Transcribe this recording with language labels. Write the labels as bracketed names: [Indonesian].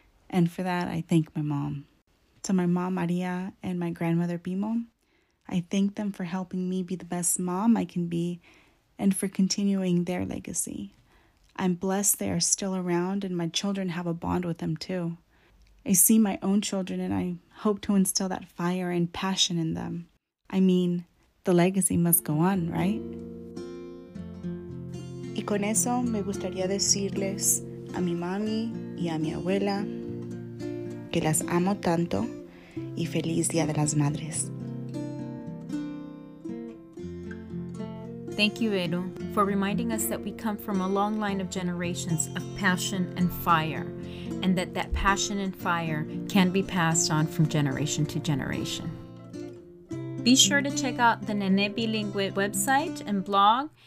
[English] And for that, I thank my mom. To my mom, Maria, and my grandmother, Bimo, I thank them for helping me be the best mom I can be and for continuing their legacy. I'm blessed they are still around and my children have a bond with them too. I see my own children and I hope to instill that fire and passion in them. I mean, the legacy must go on, right? [Spanish] Y con eso me gustaría decirles a mi mami y a mi abuela que las amo tanto y feliz Día de las Madres. [English] Thank you, Vero, for reminding us that we come from a long line of generations of passion and fire, and that that passion and fire can be passed on from generation to generation. Be sure to check out the Nene Bilingüe website and blog.